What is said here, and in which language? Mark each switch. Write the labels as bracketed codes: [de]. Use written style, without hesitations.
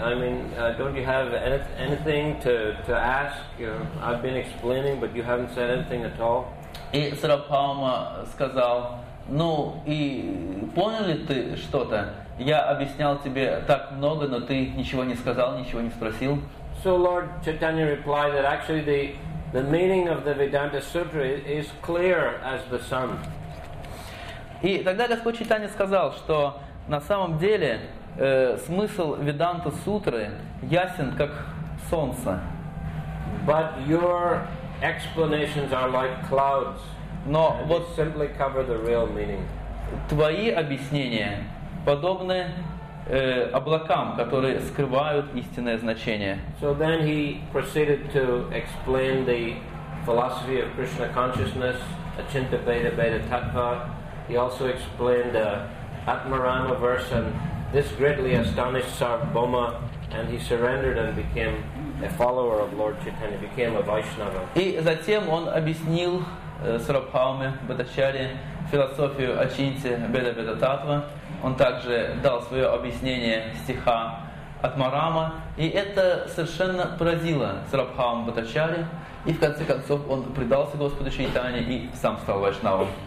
[en] I mean, don't you have anything to ask? You know, I've been explaining, but you haven't said anything at all. [ru] И Сарвабхаума сказал, ну и понял ли ты что-то? Я объяснял тебе так много, но ты ничего не сказал, ничего не спросил. [en] So Lord Chaitanya replied that actually the meaning of the Vedanta Sutra is clear as the sun. [ru] И тогда Господь Чайтанья сказал, что на самом деле смысл Веданта Сутры ясен как солнце. [en] But your explanations are like clouds. [ru] Но вот [en] simply cover the real meaning. [ru] Твои объяснения подобны облакам, которые скрывают истинное значение. [en] So then he proceeded to explain the philosophy of Krishna consciousness, Achinta Bheda Bheda Tattva. He also explained the Atmarama verse, and this greatly astonished Sarvabhauma, and he surrendered and became a follower of Lord Chaitanya, became a Vaishnava. [ru] И затем он объяснил Сарабхауме Бхаттачарье философию Ачинти Бхеда Бхеда Таттва. Он также дал свое объяснение стиха Атмарама, и это совершенно поразило Сарабхауму Бхаттачарье. И в конце концов он предался Господу Чайтанье и сам стал вайшнавом.